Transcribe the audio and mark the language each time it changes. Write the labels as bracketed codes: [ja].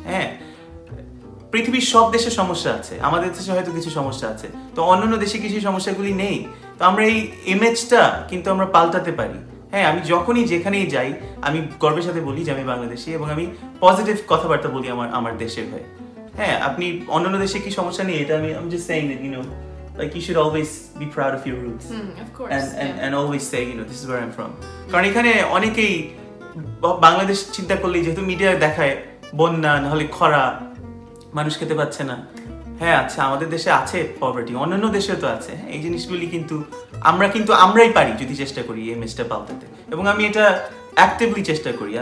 [bn] হ্যাঁ পৃথিবীর সব দেশে সমস্যা আছে, আমাদের দেশে হয়তো কিছু সমস্যা আছে, তো অন্যান্য দেশে কিছু সমস্যাগুলি নেই, তো আমরা এই ইমেজটা কিন্তু আমরা পাল্টাতে পারি। হ্যাঁ আমি যখনই যেখানেই যাই আমি গর্বের সাথে বলি যে আমি বাংলাদেশি এবং আমি পজিটিভ কথাবার্তা বলি আমার আমার দেশের হয়ে। হ্যাঁ আপনি অন্যান্য দেশে কি সমস্যা নেই, এটা আমি [en] just saying that, you know, like you should always be proud of your roots. Of course. And always say, you know, this is where I'm from. [bn] কারণ এখানে অনেকেই বাংলাদেশ চিন্তা করলে, যেহেতু মিডিয়ায় দেখায় বন্যা নাহলে খরা, মানুষ খেতে পাচ্ছে না, হ্যাঁ আচ্ছা আমাদের দেশে আছে পভার্টি, অন্যান্য দেশেও তো আছে, এই জিনিসগুলি কিন্তু আমরা কিন্তু আমরাই পারি যদি চেষ্টা করি এই মেসটা পাল্টাতে, এবং আমি এটা অ্যাক্টিভলি চেষ্টা করি।